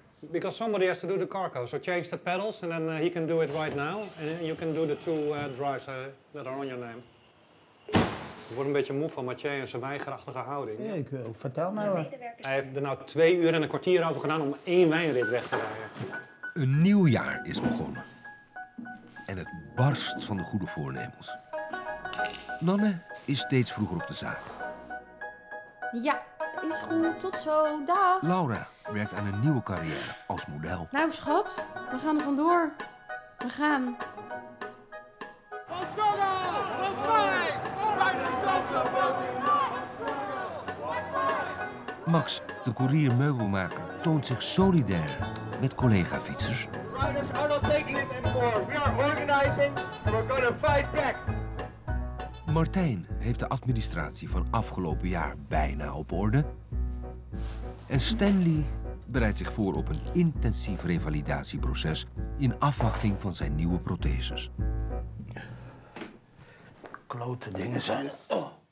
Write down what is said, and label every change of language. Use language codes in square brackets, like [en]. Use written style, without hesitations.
[en] Because somebody has to do the cargo, so change the pedals, and then he can do it right now, and you can do the two drives that are on your name. [nl] Ik word een beetje moe van Mathieu en zijn weigerachtige houding. Ja, ik vertel maar. Hij heeft er nou 2 uur en een kwartier over gedaan om 1 wijnrit weg te rijden. Een nieuw jaar is begonnen. En het barst van de goede voornemens. Nanne is steeds vroeger op de zaak. Ja, is goed. Tot zo. Dag. Laura werkt aan een nieuwe carrière als model. Nou, schat, we gaan er vandoor. We gaan. Max, de koerier meubelmaker, toont zich solidair met collega-fietsers. [en] Riders are not taking it anymore. We are organizing and we're gonna fight back. [nl] Martijn heeft de administratie van afgelopen jaar bijna op orde. En Stanley bereidt zich voor op een intensief revalidatieproces in afwachting van zijn nieuwe protheses. Klote dingen zijn. Oh.